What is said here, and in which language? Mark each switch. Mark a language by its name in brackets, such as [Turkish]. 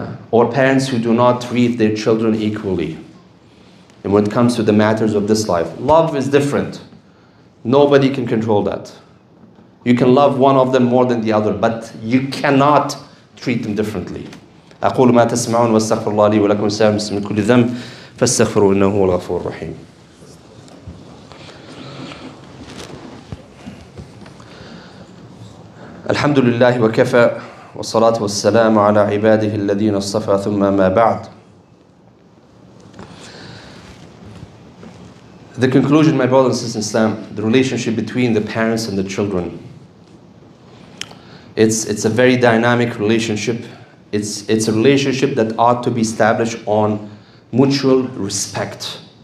[English] Or parents who do not treat their children equally. And when it comes to the matters of this life, love is different. Nobody can control that. You can love one of them more than the other, but you cannot treat them differently. [Arabic] أقول ما تسمعون واستغفر الله لي ولكم سائر المسلمين كل ذنب فاستغفروه إنه هو الغفور الرحيم. الحمد لله وكفى والصلاة والسلام على عباده الذين اصطفى ثم ما بعد. [English] The conclusion, my brothers and sisters in Islam, the relationship between the parents and the children. It's a very dynamic relationship. It's a relationship that ought to be established on mutual respect.